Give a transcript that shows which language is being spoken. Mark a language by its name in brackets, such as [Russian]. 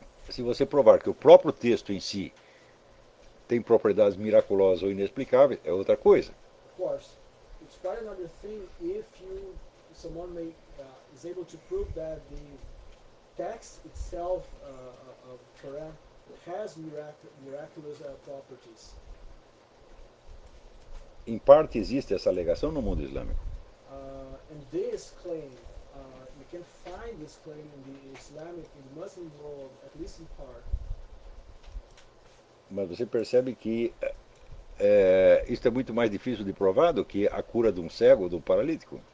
[Portuguese] Se você provar que o próprio texto em si tem propriedades miraculosas ou inexplicáveis, é outra coisa. [English] Of course, it's quite another thing if you someone may is able to prove that the text itself of Quran has miraculous properties. [Portuguese] Em parte existe essa alegação no mundo islâmico. [English] And this claim, you can find this claim in the Islamic, in the Muslim world, at least in part. [Portuguese] Mas você percebe que isto é muito mais difícil de provar do que a cura de um cego ou de um paralítico?